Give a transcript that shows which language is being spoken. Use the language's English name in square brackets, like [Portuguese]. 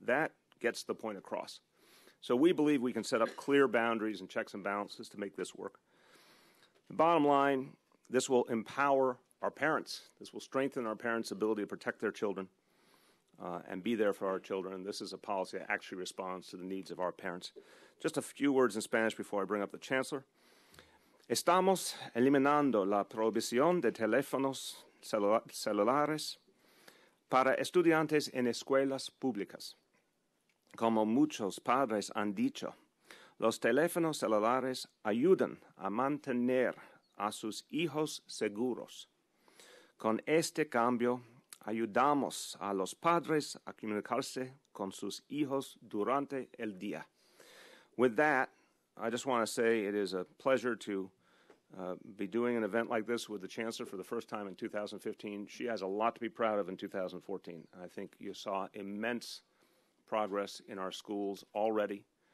[English] That gets the point across. So we believe we can set up clear boundaries and checks and balances to make this work. The bottom line, this will empower our parents. This will strengthen our parents' ability to protect their children and be there for our children. This is a policy that actually responds to the needs of our parents. Just a few words in Spanish before I bring up the Chancellor. [Spanish] Estamos eliminando la prohibición de teléfonos celulares para estudiantes en escuelas públicas. como muchos padres han dicho, los teléfonos celulares ayudan a mantener a sus hijos seguros. Con este cambio, ayudamos a los padres a comunicarse con sus hijos durante el día. [English] With that, I just want to say it is a pleasure to be doing an event like this with the Chancellor for the first time in 2015. She has a lot to be proud of in 2014. I think you saw immense progress in our schools already.